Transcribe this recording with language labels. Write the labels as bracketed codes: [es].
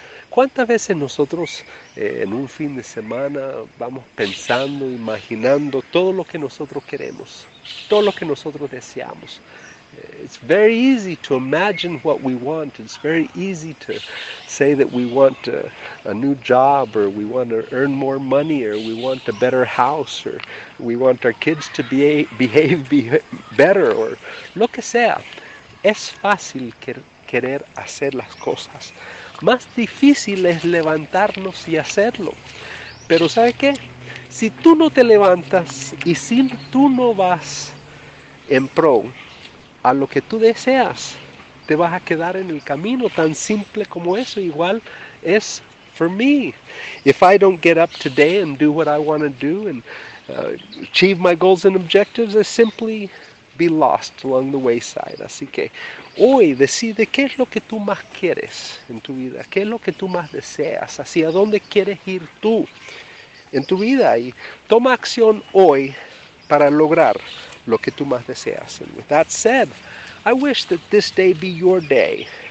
[es] ¿Cuántas veces nosotros en un fin de semana vamos pensando, imaginando todo lo que nosotros queremos, todo lo que nosotros deseamos? [en] It's very easy to imagine what we want. It's very easy to say that we want a new job, or we want to earn more money, or we want a better house, or we want our kids to behave better, or [es] lo que sea. Es fácil querer hacer las cosas. Más difícil es levantarnos y hacerlo. Pero ¿sabe qué? Si tú no te levantas y si tú no vas en pro a lo que tú deseas, te vas a quedar en el camino, tan simple como eso. Igual es [en] for me. If I don't get up today and do what I want to do and achieve my goals and objectives, it's simply be lost along the wayside. [es] Así que hoy decide qué es lo que tú más quieres en tu vida, qué es lo que tú más deseas, hacia dónde quieres ir tú en tu vida, y toma acción hoy para lograr lo que tú más deseas. [en] And with that said, I wish that this day be your day.